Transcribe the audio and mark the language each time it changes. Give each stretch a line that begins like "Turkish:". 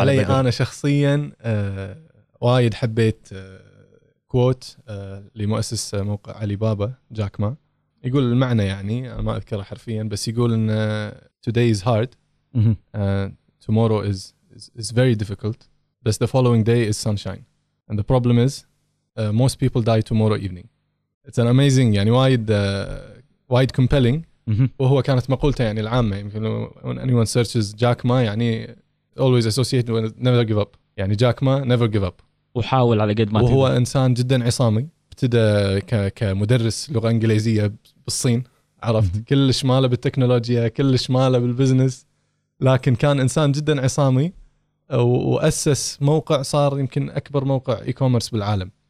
Arabic: علي بدر؟ أنا شخصيا وايد حبيت كوت لمؤسس موقع علي بابا جاك ما، يقول المعنى يعني أنا ما أذكره حرفيا، بس يقول إن
English: today is hard tomorrow is very difficult, but the following day is sunshine. And the problem is, most people die tomorrow evening. It's an amazing, يعني wide compelling.
Arabic: وهو كانت مقولته يعني العامة.
English: يمكن when anyone searches Jack Ma, يعني always associated with never give up. يعني Jack Ma, never give up.
Arabic: وحاول على قد ما تقدر. وهو إنسان جدا عصامي. ابتدى كمدرس لغة إنجليزية بالصين. عرفت كل شماله بالتكنولوجيا، كل شماله بالبزنس. لكن كان إنسان جدا عصامي، وأسس موقع صار يمكن أكبر موقع إيكوميرس بالعالم.